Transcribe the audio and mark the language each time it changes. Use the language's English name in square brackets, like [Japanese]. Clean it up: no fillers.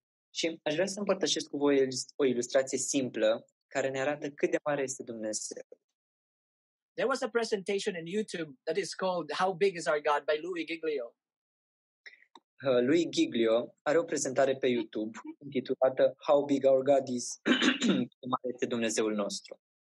[Romanian] Și aș vrea să împărtășesc cu voi o ilustrație simplă care ne arată cât de mare este Dumnezeu. [English] There was a presentation on YouTube that is called How Big Is Our God by Louis Giglio. [Romanian] Louis Giglio are o prezentare pe YouTube intitulată How Big Our God Is, cum mare este Dumnezeul nostru.